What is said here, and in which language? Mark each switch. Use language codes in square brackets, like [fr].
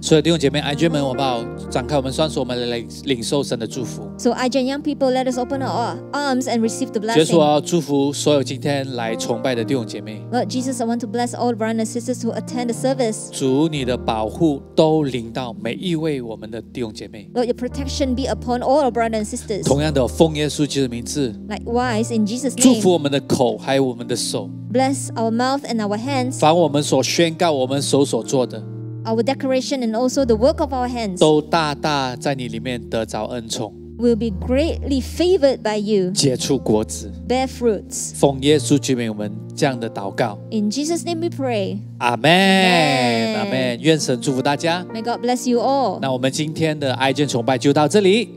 [zh] 所有弟兄姐妹 iGen 们，我们要展开我们双手，我们来领受神的祝福 [en] So iGen young people, let us open our arms and receive the blessing. [zh] 耶稣，我要祝福所有今天来崇拜的弟兄姐妹 [en] Lord Jesus, I want to bless all brothers and sisters who attend the service. [zh] 主，你的保护都临到每一位我们的弟兄姐妹 [en] Lord, your protection be upon all our brothers and sisters. [zh] 同样的，奉耶稣基督的名字 [en] Likewise, in Jesus' name. [zh] 祝福我们的口，还有我们的手 [en] Bless our mouth and our hands. [zh] 凡我们所宣告，我们手所做的 [en] Our decoration and also the work of our hands. [zh] 都大大在你里面得着恩宠 [en] Will be greatly favored by you. [zh] 结出果子 [en] Bear fruits. [zh] 奉耶稣基督名，我们这样的祷告 [en] In Jesus' name we pray. Amen. Amen. [zh] 愿神祝福大家 [en] May God bless you all. [zh] 那我们今天的iGen崇拜就到这里